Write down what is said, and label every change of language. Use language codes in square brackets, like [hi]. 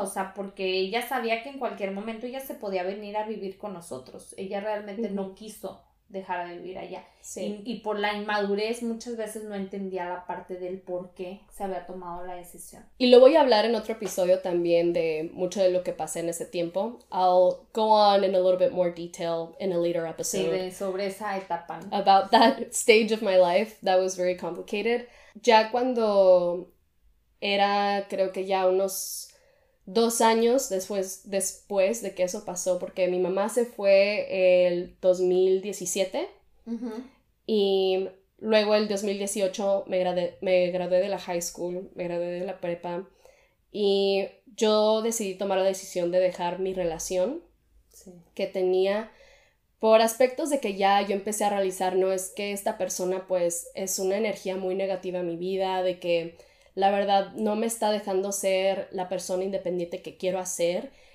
[es] o sea, porque ella sabía que en cualquier momento ella se podía venir a vivir con nosotros, ella realmente no quiso dejar de vivir allá, y por la inmadurez muchas veces no entendía la parte del por qué se había tomado la decisión. Y lo voy a hablar en otro episodio también de mucho de lo que pasé en ese tiempo. [en] I'll go on in a little bit more detail in a later episode. [es] Sí, sobre esa etapa. [en] About that stage of my life that was very complicated. [es] Ya cuando era, creo que ya unos 2 años después de que eso pasó, porque mi mamá se fue el 2017. Y luego el 2018 me gradué de la high school, me gradué de la prepa, y yo decidí tomar la decisión de dejar mi relación que tenía, por aspectos de que ya yo empecé a realizar, no, es que esta persona pues es una energía muy negativa en mi vida, de que la verdad no me está dejando ser la persona independiente que quiero hacer.